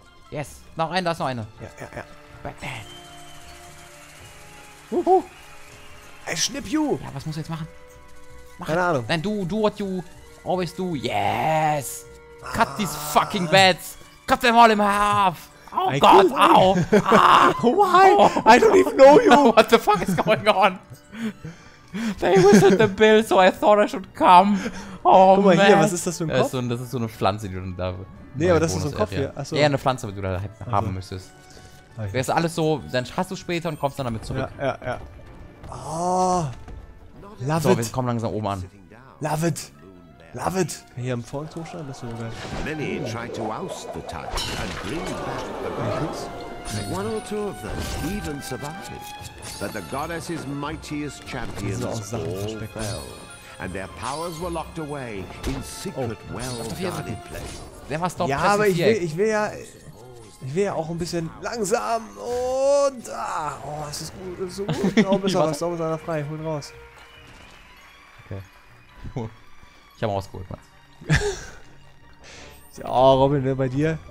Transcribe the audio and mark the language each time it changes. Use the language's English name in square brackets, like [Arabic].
[German] Yes, noch einer, da ist noch einer. Ja. Batman. [English] Wuhu. I snip you. [German] Ja, was muss ich jetzt machen? Keine Ahnung. [English] Nein, do what you always do. Yes. Cut these fucking bats. Cut them all in half. Oh I God, ow. Why? I don't even know you. What the fuck is going on? They whistled the bell, so I thought I should come. Oh, [German] guck mal, man. Hier, was ist das für ein Kopf? Das ist so eine Pflanze, die du dann da... Nee, aber das Bonus ist so ein Kopf hier. Achso. Eher eine Pflanze, die du da haben müsstest. Okay. Wäre es alles so, dann hast du später und kommst dann damit zurück. Ja. Oh. [English] Love it. [German] So, wir kommen langsam oben an. [English] Love it. [German] Hier im Fall zuschauen, das ist so geil. [English] Many tried to oust the touch and bring back the gods. One or two of them even survived. But the goddess's mightiest champions all fell. And their powers were locked away in secret well-guarded places. [German] Der war Stop. Ja, aber ich will ja auch ein bisschen langsam und oh, es ist gut, es ist so gut. Ich glaube, es ist einer frei, hol ihn raus. Okay. Ich habe rausgeholt, Mann. Ja, Robin, bei dir.